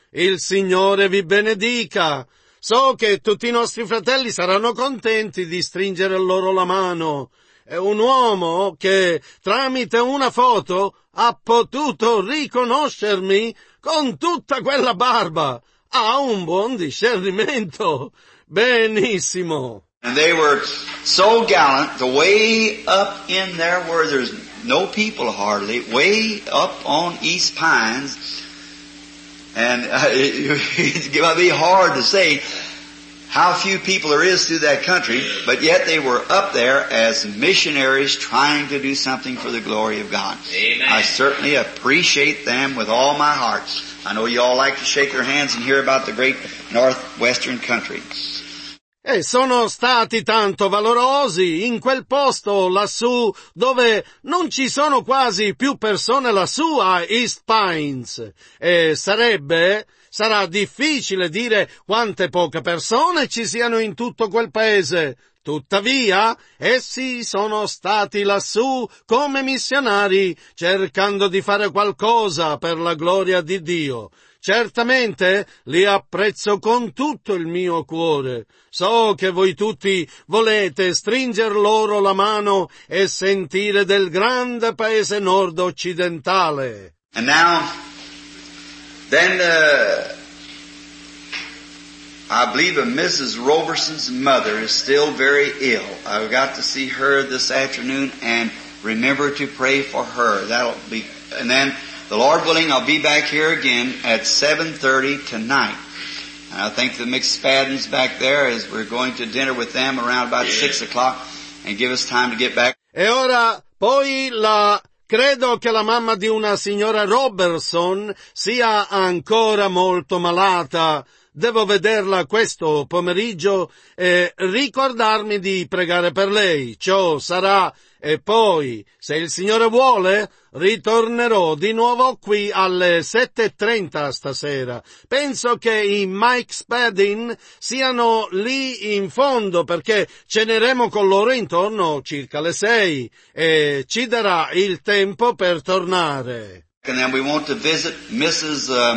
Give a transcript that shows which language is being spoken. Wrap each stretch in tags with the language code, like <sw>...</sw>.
<it>Il Signore vi benedica. So che tutti i nostri fratelli saranno contenti di stringere loro la mano. È un uomo che, tramite una foto, ha potuto riconoscermi con tutta quella barba. Ha un buon discernimento. Benissimo.</it> <en>And they were so gallant, the way up in there where there's no people hardly, way up on East Pines, and it might be hard to say how few people there is through that country, but yet they were up there as missionaries trying to do something for the glory of God. Amen. I certainly appreciate them with all my heart. I know you all like to shake your hands and hear about the great northwestern country.</en> <it>E sono stati tanto valorosi in quel posto lassù dove non ci sono quasi più persone lassù a East Pines. E sarà difficile dire quante poche persone ci siano in tutto quel paese. Tuttavia, essi sono stati lassù come missionari cercando di fare qualcosa per la gloria di Dio. Certamente li apprezzo con tutto il mio cuore. So che voi tutti volete stringer loro la mano e sentire del grande paese nord-occidentale.</it> <en>And now, then, I believe that Mrs. Roberson's mother is still very ill. I've got to see her this afternoon and remember to pray for her. The Lord willing, I'll be back here again at 7:30 tonight. And I think the McSpadden's back there as we're going to dinner with them around about 6 o'clock and give us time to get back.</en> <it>E ora, poi credo che la mamma di una signora Robertson sia ancora molto malata. Devo vederla questo pomeriggio e ricordarmi di pregare per lei. Ciò sarà. E poi, se il Signore vuole, ritornerò di nuovo qui alle 7:30 stasera. Penso che i Mike Spadin siano lì in fondo perché ceneremo con loro intorno circa le 6 e ci darà il tempo per tornare.</it> <en>And then we want to visit Mrs.</en>